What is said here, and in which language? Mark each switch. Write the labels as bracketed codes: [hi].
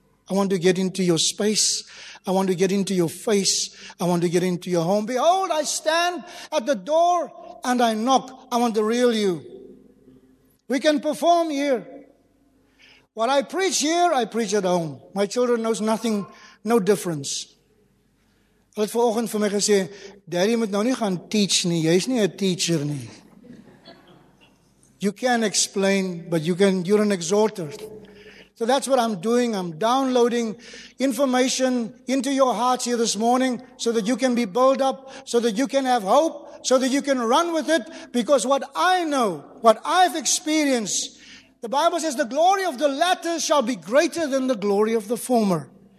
[en] I want to get into your space. I want to get into your face. I want to get into your home. Behold, I stand at the door and I knock. I want the real you. We can perform here. What I preach here, I preach at home. My children knows nothing, no difference. [af] Hulle het vanoggend vir my gesê, "Daddy moet nou nie gaan teach nie. Jy's nie 'n teacher nie." [en] You can't explain, but you can. You're an exhorter. So that's what I'm doing. I'm downloading information into your hearts here this morning so that you can be built up, so that you can have hope, so that you can run with it. Because what I know, what I've experienced, the Bible says the glory of the latter shall be greater than the glory of the former.